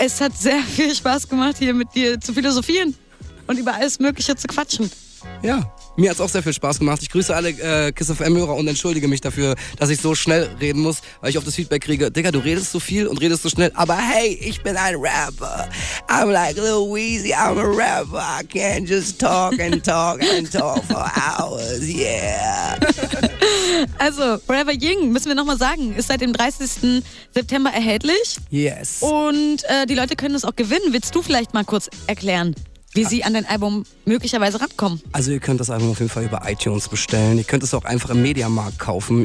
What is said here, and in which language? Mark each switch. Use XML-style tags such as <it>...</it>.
<de>Es hat sehr viel Spaß gemacht, hier mit dir zu philosophieren und über alles Mögliche zu quatschen. Ja, mir hat es auch sehr viel Spaß gemacht. Ich grüße alle Kiss FM-Hörer und entschuldige mich dafür, dass ich so schnell reden muss, weil ich oft das Feedback kriege, Digga, du redest so viel und redest so schnell, aber hey, ich bin ein Rapper.</de> <en>I'm like Lil Weezy, I'm a rapper. I can't just talk and talk and talk for hours, yeah.</en> <de>Also, Forever Ying, müssen wir nochmal sagen, ist seit dem 30. September erhältlich.</de> <en>Yes.</en> <de>Und die Leute können es auch gewinnen. Willst du vielleicht mal kurz erklären, wie sie an dein Album möglicherweise rankommen? Also ihr könnt das Album auf jeden Fall über iTunes bestellen. Ihr könnt es auch einfach im Mediamarkt kaufen.</de>